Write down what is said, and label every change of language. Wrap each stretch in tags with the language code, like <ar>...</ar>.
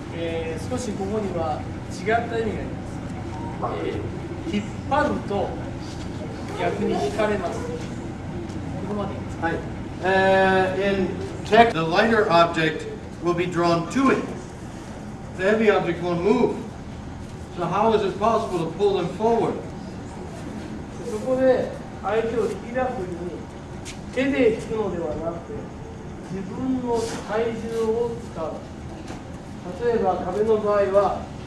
<ja>はい。ほとんどの本や指導文に相手を引き出すという言葉が使われます。相手を小打ちのように前に引き出す。相手を押しておいて引き出すという言葉がありますが、少しここには 違った意味があります。引っ張ると逆に引かれます。ここまで。はい。</ja> <en>In tech, the lighter object will be drawn to it. The heavy object won't move. So how is it possible to pull them forward?</en> <ja>そこで相手を引き出すときに手で引くのではなくて自分の体重を使う。例えば壁の場合は</ja>